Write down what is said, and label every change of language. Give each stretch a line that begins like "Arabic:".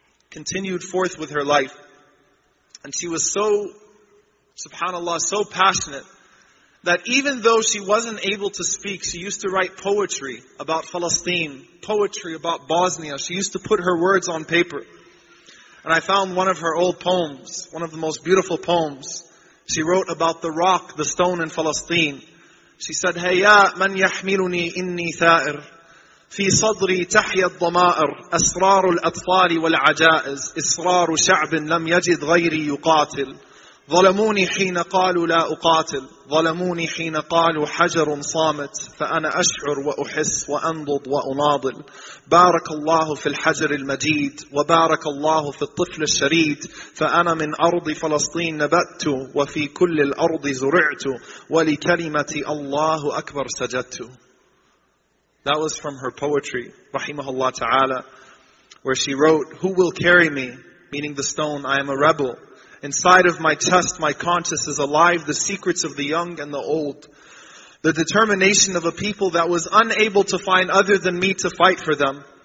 English: Continued forth with her life. And she was so, subhanAllah, so passionate that even though she wasn't able to speak, she used to write poetry about Palestine, poetry about Bosnia. She used to put her words on paper. And I found one of her old poems, one of the most beautiful poems. She wrote about the rock, the stone in Palestine. She said,
Arabic: هَيَّا مَنْ يَحْمِلُنِي إِنِّي ثَائِرٌ فِي صَدْرِي تَحْيَى الضَّمَائِرُ أَسْرَارُ الْأَطْفَالِ وَالْعَجَائِزِ إِسْرَارُ شَعْبٍ لَمْ يَجِدْ غَيْرِي يُقَاتِلُ ظلموني حين قالوا لا أقاتل ظلموني حين قالوا حجر صامت فأنا أشعر وأحس وأنضض وأناضل بارك الله في الحجر المجيد وبارك الله في الطفل الشريد فأنا من أرض فلسطين نبت وفي كل الأرض زرعت ولكلمة الله أكبر سجدت.
English: That was from her poetry,
Arabic: رحمه الله تعالى,
English: where she wrote, who will carry me, meaning the stone, I am a rebel. Inside of my chest, my conscience is alive, the secrets of the young and the old. The determination of a people that was unable to find other than me to fight for them.